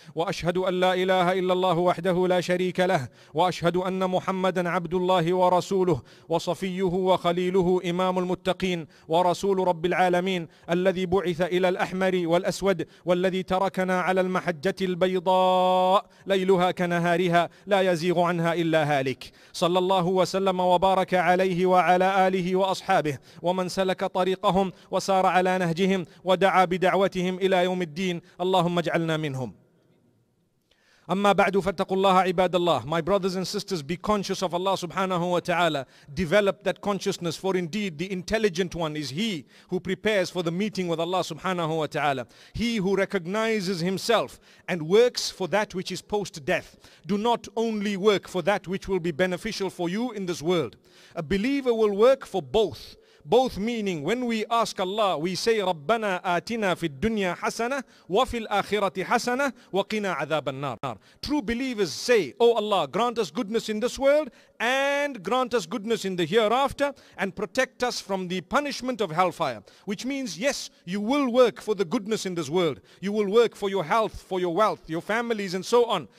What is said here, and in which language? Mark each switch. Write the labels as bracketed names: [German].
[Arabic] وأشهد أن لا إله إلا الله وحده لا شريك له وأشهد أن محمدا عبد الله ورسوله وصفيه وخليله إمام المتقين ورسول رب العالمين الذي بعث إلى الأحمر والأسود والذي تركنا على المحجة البيضاء ليلها كنهارها لا يزيغ عنها إلا هالك صلى الله وسلم وبارك عليه وعلى آله وأصحابه ومن سلك طريقهم وسار على نهجهم ودعا بدعوتهم إلى يوم الدين اللهم اجعلنا منهم أما بعد فاتقوا الله عباد الله. [English] My brothers and sisters, be conscious of Allah subhanahu wa ta'ala. Develop that consciousness, for indeed the intelligent one is he who prepares for the meeting with Allah subhanahu wa ta'ala. He who recognizes himself and works for that which is post-death. Do not only work for that which will be beneficial for you in this world. A believer will work for both. Both meaning, when we ask Allah, we say, [Arabic] رَبَّنَا آتِنَا فِي الدُّنْيَا حَسَنَةً وَفِي الْآخِرَةِ حَسَنَةً وَقِنَا عَذَابَ النَّارِ. [English] True believers say, oh Allah, grant us goodness in this world and grant us goodness in the hereafter and protect us from the punishment of hellfire. Which means, yes, you will work for the goodness in this world. You will work for your health, for your wealth, your families and so on.